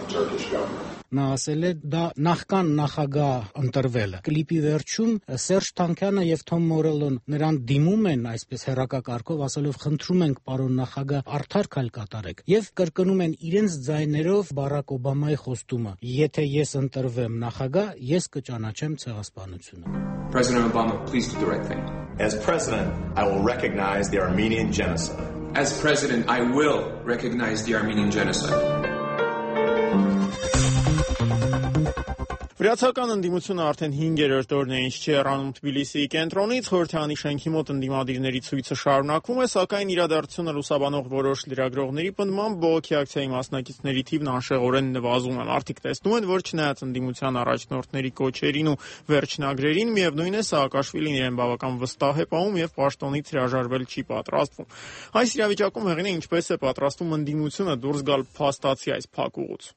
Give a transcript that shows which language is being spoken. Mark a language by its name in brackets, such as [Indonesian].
[Armenian] փաստը։ Նա ասել է, դա նախկան նախագահ ընտրվելը։ Կլիպի վերջում Սերժ Թանկյանը եւ Թոմ Մորելոն նրան դիմում են այսպես հերակակարգով, ասելով խնդրում ենք պարոն նախագահ արդար քայլ կատարեք, եւ կրկնում են իրենց ձայներով Բարակ Օբամայի խոստումը. Եթե ես ընտրվեմ նախագահ, ես կճանաչեմ ցեղասպանությունը. [English] President Obama, please do the right thing. As president, I will recognize the Armenian genocide. As president, I will recognize the Armenian genocide. [Armenian] Վրացական ընդդիմությունը արդեն 5-րդ օրն է, ինչ չի հեռանում Թբիլիսիի կենտրոնից, խորհրդարանի շենքի մոտ ընդդիմադիրների ցույցը շարունակվում է, սակայն իրադարձությունը լուսաբանող որոշ լրագրողների պնդմամբ բողոքի ակցիայի մասնակիցների թիվն անշեղորեն նվազում է։ Մարդիկ տեսնում են, որ չնայած ընդդիմության առաջնորդների կոչերին ու վերջնագրերին, միևնույն է, Սաակաշվիլին իրեն բավական վստահ է պահում և պաշտոնից հրաժարվել չի պատրաստվում։ Այս իրավիճակում հեղինը ինչպես է պատրաստում ընդդիմությունը դուրս գալ փաստացի այս փակուղից։